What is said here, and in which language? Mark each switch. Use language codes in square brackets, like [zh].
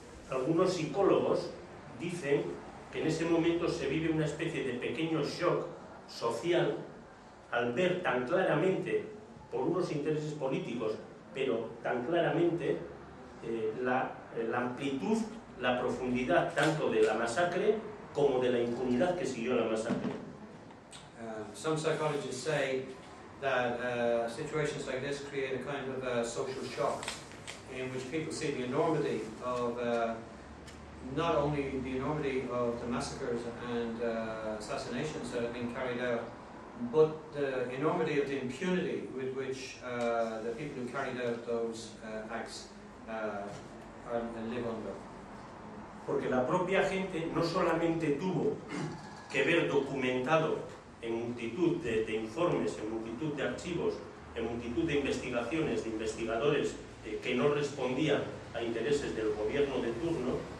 [es] Algunos psicólogos dicen que en ese momento se vive una especie de pequeño shock social al ver tan claramente, por unos intereses políticos, pero tan claramente, la amplitud, la profundidad, tanto de la masacre como de la impunidad que siguió la masacre. [en] Some psychologists say that situations like this create a kind of a social shock in which people see the enormity of not only the enormity of the massacres and assassinations that have been carried out, but the enormity of the impunity with which the people who carried out those acts live under. [es] Porque la propia gente no solamente tuvo que ver documentado en multitud de informes, en multitud de archivos, en multitud de investigaciones, de investigadores que no respondían a intereses del gobierno de turno,